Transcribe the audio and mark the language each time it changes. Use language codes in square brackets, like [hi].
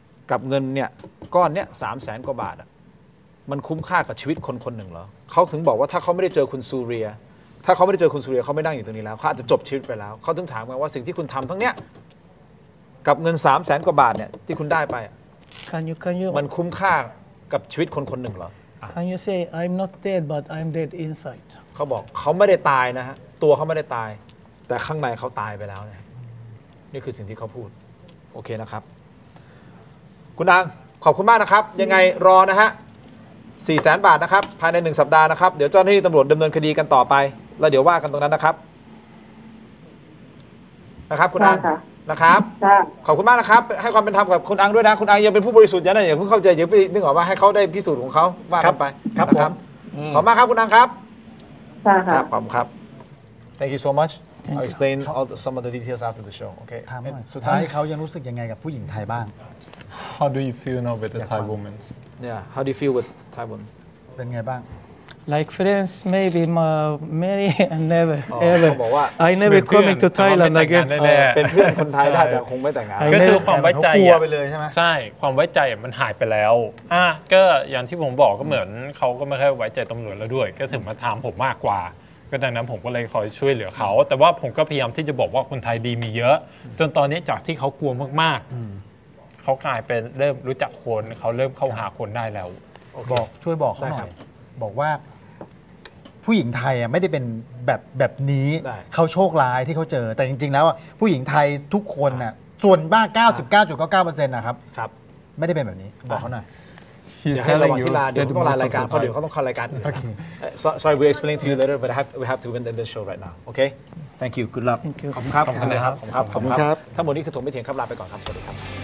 [th] กับเงินเนี่ยก้อนเนี่ย300,000 กว่าบาทอ่ะมันคุ้มค่ากับชีวิตคนคนหนึ่งเหรอเขาถึงบอกว่าถ้าเขาไม่ได้เจอคุณซูเรียถ้าเขาไม่ได้เจอคุณสุริยะเขาไม่นั่งอยู่ตรงนี้แล้วเขาอาจจะจบชีวิตไปแล้วเขาต้องถามกันว่าสิ่งที่คุณทำทั้งเนี้ยกับเงิน300,000 กว่าบาทเนี่ยที่คุณได้ไป [en] can you [th] มันคุ้มค่ากับชีวิตคนคนหนึ่งเหรอ [en] Can you say I'm not dead but I'm dead inside [th] เขาบอกเขาไม่ได้ตายนะฮะตัวเขาไม่ได้ตายแต่ข้างในเขาตายไปแล้วเนี่ยนี่คือสิ่งที่เขาพูดโอเคนะครับคุณอังขอบคุณมากนะครับยังไงรอนะฮะ400,000 บาทนะครับภายใน1 สัปดาห์นะครับเดี๋ยวเจ้าหน้าที่ตำรวจดำเนินคดีกันต่อไปแล้วเดี๋ยวว่ากันตรงนั้นนะครับนะครับคุณอังนะครับขอบคุณมากนะครับให้ความเป็นธรรมกับคุณอังด้วยนะคุณอังยังเป็นผู้บริสุทธิ์ยันนะอย่าเพิ่งเข้าใจอย่าเพิ่งนึกออกว่าให้เขาได้พิสูจน์ของเขาว่ากันไป ครับผม ขอบมากครับคุณอังครับ ค่ะ ครับผมครับ [en] thank you so much I'll explain all some of the details after the show okay [th] สุดท้ายเขายังรู้สึกยังไงกับผู้หญิงไทยบ้าง [en] how do you feel now with the Thai women yeah how do you feel with Thai women [th] เป็นไงบ้าง [en] Like friends, maybe marry and never ever. Oh, I never coming to Thailand again. [th] เป็นเพื่อนคนไทยได้แต่คงไม่แต่งงาน ก็คือความไว้ใจ กลั วไปเลยใช่ ไหม ใช่ความไว้ใจมันหายไปแล้วก็อย่างที่ผมบอกก็เหมือนเขาก็ไม่ค่อยไว้ใจตำรวจแล้วด้วยก็ถึงมาถามผมมากกว่าก็ดังนั้นผมก็เลยคอยช่วยเหลือเขาแต่ว่าผมก็พยายามที่จะบอกว่าคนไทยดีมีเยอะจนตอนนี้จากที่เขากลัวมากๆเขากลายเป็นเริ่มรู้จักคนเขาเริ่มเข้าหาคนได้แล้ว บอกช่วยบอกเขาหน่อยบอกว่าผู้หญิงไทยอ่ะไม่ได้เป็นแบบนี้ เขาโชคร้ายที่เขาเจอแต่จริงๆแล้วผู้หญิงไทยทุกคนน่ะส่วนมาก 99.99% นะครับ ครับ ไม่ได้เป็นแบบนี้บอกเขาหน่อย เดี๋ยวให้ระวังที่ลาเดี๋ยวต้องลารายการเพราะเดี๋ยวเขาต้องเข้ารายการ โอเค [en] sorry we explain to you later but we have to end the show right now okay thank you good luck [th] ขอบคุณครับ ขอบคุณครับ ขอบคุ ณครับทั้งหมดนี้คือถมไม่เถียงครับลาไปก่อนครับสวัสดีครับ